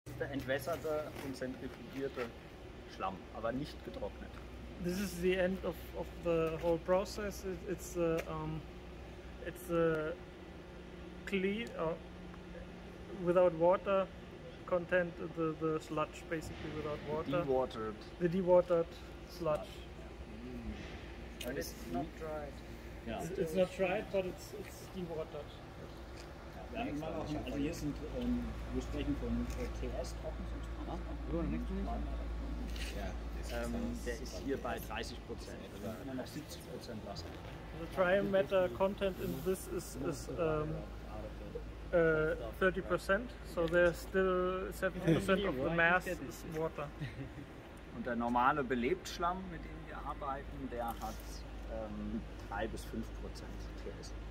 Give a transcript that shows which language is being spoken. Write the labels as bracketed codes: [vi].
[de] Also entwässerter und zentrifugierter Schlamm, aber nicht getrocknet. [en] This is the end of the whole process. It's a clean without water content, the sludge basically without water. Dewatered. The dewatered sludge. And it's not dried. Yeah. It's not dried, but it's dewatered. [de] Also hier sind wir sprechen von TS-Trocken. Der ist hier bei 30%, also 70% Wasser. [en] The trimeter content in this is 30%, so there's still 70% of the mass is water. [de] Und der normale Belebtschlamm, mit dem wir arbeiten, der hat 3-5% TS.